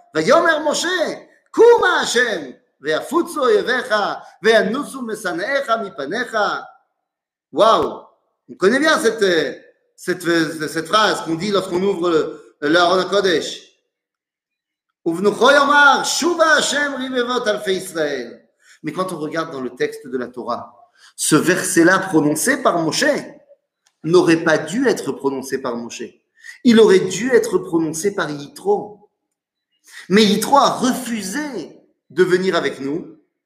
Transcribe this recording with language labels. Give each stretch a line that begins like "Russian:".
Hebrew: ויאמר משה, קום השם, ויפוצו אויביך, וינוסו משנאיך מפניך.
French: וואו, on connaît bien cette phrase qu'on dit lorsqu'on ouvre l'Aron HaKodesh.
Hebrew: ובנוכו יאמר, שובה השם רבבות אלפי ישראל.
French: Mais quand on regarde dans le texte de la Torah, ce verset-là prononcé par Moshe n'aurait pas dû être prononcé par Moshe. Il aurait dû être prononcé par Yitro. Mais Yitro a refusé de venir avec nous.